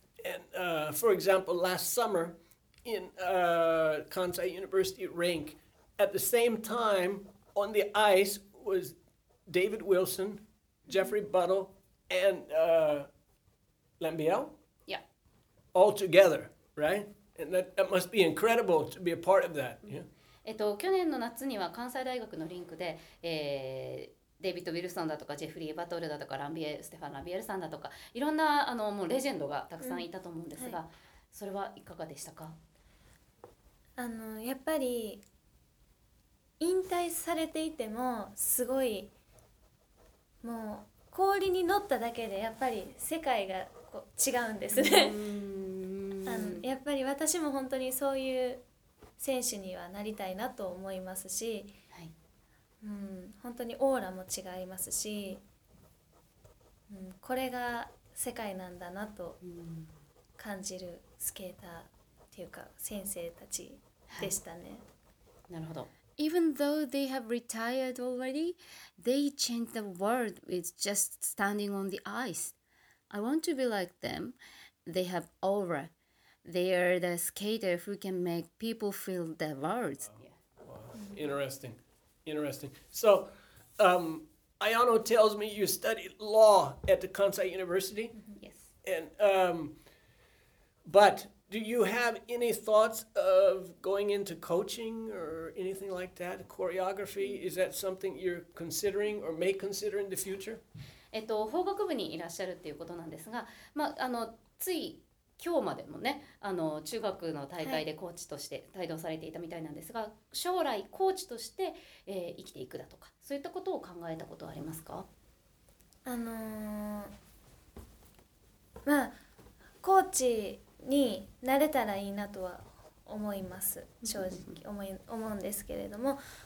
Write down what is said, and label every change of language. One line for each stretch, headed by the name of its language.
English: And for example, last summer in Kansai University rink, at the same time on the ice was David Wilson, Jeffrey Buttle, and... Lambiel? Yeah. All together, right? And that must be incredible to be a part of that. Yeah.
Japanese: 去年の夏には関西大学のリンクで、デビッド・ウィルソンだとかジェフリー・バトルだとかステファン・ラビエルさんだとかいろんなあのもうレジェンドがたくさんいたと思うんですが、うんはい、それはいかがでしたか？あのやっぱり引退されていてもすごいもう氷に乗っただけでやっぱり世界がこう違うんですねあのやっぱり私も本当にそういう選手にはなりたいなと思いますし、はい、うん本当にオーラも違いますし、うん、これが世界なんだなと感じるスケーターっていうか先生たちでしたね、はい、なるほど。
English: Even though they have retired already, they change the world with just standing on the ice. I want to be like them. They have aura. They are the skater who can make people feel the world. Wow. Wow. Interesting. Interesting. So, Ayano tells me you studied law at the Kansai University. Yes. And, but... Do you have any thoughts of going into coaching or anything like that? Choreography, is that something you're considering or may consider in the future?
Japanese: 法学部にいらっしゃるっていうことなんですが、まあ、あのつい今日までもね、あの中学の大会でコーチとして帯同されていたみたいなんですが、はい、将来コーチとして、生きていくだとか、そういったことを考えたことはありますか？まあ、コーチになれたらいいなとは思います。正直思うんですけれども、